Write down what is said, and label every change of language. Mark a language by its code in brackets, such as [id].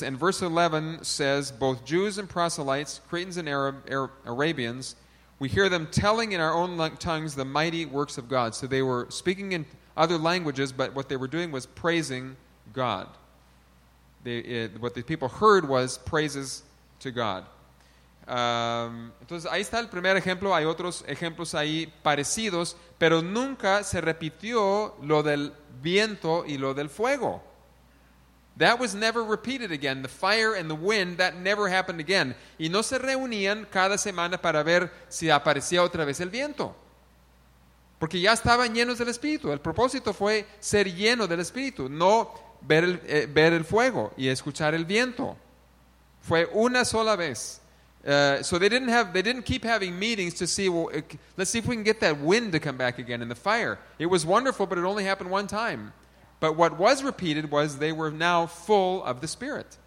[en] And verse 11 says, both Jews and proselytes, Cretans and Arabians, we hear them telling in our own tongues the mighty works of God. So they were speaking in other languages, but what they were doing was praising God. What the people heard was praises to God. [es] Entonces, ahí está el primer ejemplo. Hay otros ejemplos ahí parecidos, pero nunca se repitió lo del viento y lo del fuego. [en] That was never repeated again. The fire and the wind, that never happened again. [es] Y no se reunían cada semana para ver si aparecía otra vez el viento. Porque ya estaban llenos del Espíritu. El propósito fue ser lleno del Espíritu, no ver el fuego y escuchar el viento. Fue una sola vez. [en] So they didn't keep having meetings to see, well, let's see if we can get that wind to come back again and the fire. It was wonderful, but it only happened one time. But what was repeated was they were now full of the Spirit.